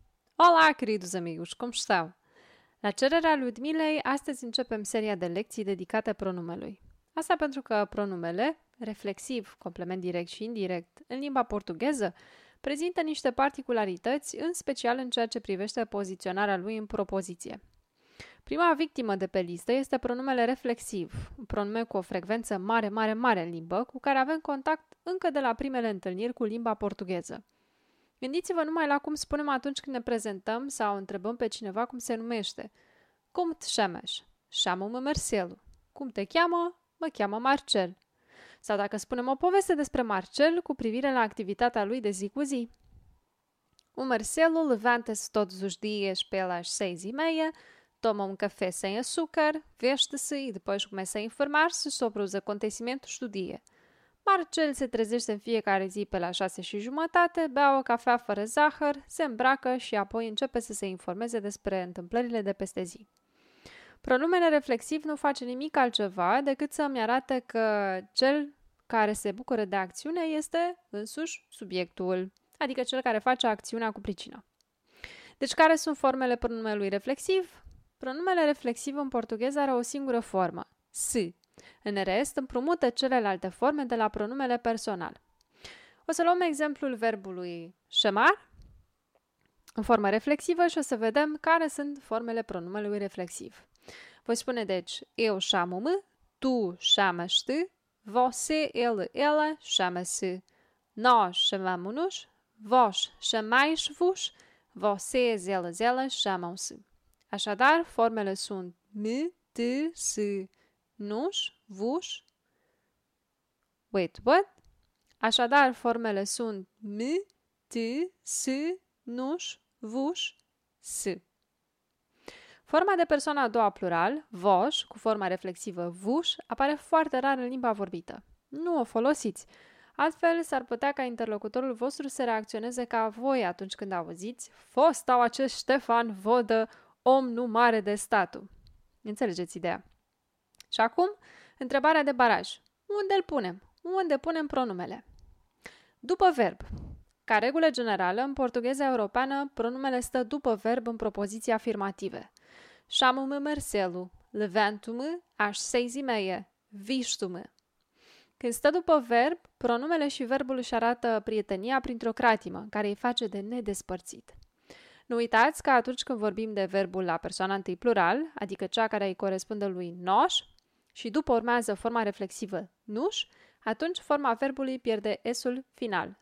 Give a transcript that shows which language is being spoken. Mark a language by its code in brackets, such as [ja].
[pt] Olá, queridos amigos, [ro] cum stau? La cererea Ludmilei, astăzi începem seria de lecții dedicate pronumelui. Asta pentru că pronumele, reflexiv, complement direct și indirect, în limba portugheză, prezintă niște particularități, în special în ceea ce privește poziționarea lui în propoziție. Prima victimă de pe listă este pronumele reflexiv, un pronume cu o frecvență mare, mare, mare în limbă, cu care avem contact încă de la primele întâlniri cu limba portugheză. Gândiți-vă numai la cum spunem atunci când ne prezentăm sau întrebăm pe cineva cum se numește. [pt] Cum te chamas? Chamo-me Marcelo. [ro] Cum te cheamă? Mă cheamă Marcel. Sau dacă spunem o poveste despre Marcel cu privire la activitatea lui de zi cu zi. [pt] O Marcelo levanta-se todos os dias pelas 6:30, toma um café sem açúcar, veste-se e depois começa a informar-se sobre os acontecimentos do dia. [ro] Marcel se trezește în fiecare zi pe la 6:30, bea o cafea fără zahăr, se îmbracă și apoi începe să se informeze despre întâmplările de peste zi. Pronumele reflexiv nu face nimic altceva decât să-mi arate că cel care se bucură de acțiune este însuși subiectul, adică cel care face acțiunea cu pricină. Deci care sunt formele pronumelui reflexiv? Pronumele reflexiv în portugheză are o singură formă, s. În rest, împrumută celelalte forme de la pronumele personal. O să luăm exemplul verbului chamar în formă reflexivă și o să vedem care sunt formele pronumelui reflexiv. Voi spune deci, [pt] eu chamo-me, tu chamas-te, você, ele, ela chama-se, nós chamamo-nos, vós chamais-vos, vocês, elas, elas chamam-se. [ro] Așadar, formele sunt me, te, se, nos, vos, [en] wait, what? [ro] Așadar, formele sunt me, te, se, nos, vos, se. Forma de persoană a doua plural, vos, cu forma reflexivă vos, apare foarte rar în limba vorbită. Nu o folosiți. Altfel, s-ar putea ca interlocutorul vostru să reacționeze ca voi atunci când auziți fostau acest Ștefan Vodă, om nu mare de statu. Înțelegeți ideea. Și acum, întrebarea de baraj. Unde îl punem? Unde punem pronumele? După verb. Ca regulă generală, în portugheza europeană, pronumele stă după verb în propoziții afirmative. [pt] Chamo-me Marcelo, levanto-me às 6:30, visto-me. [ro] Când stă după verb, pronumele și verbul își arată prietenia printr-o cratimă, care îi face de nedespărțit. Nu uitați că atunci când vorbim de verbul la persoana întâi plural, adică cea care îi corespunde lui nós, și după urmează forma reflexivă nus, atunci forma verbului pierde s-ul final.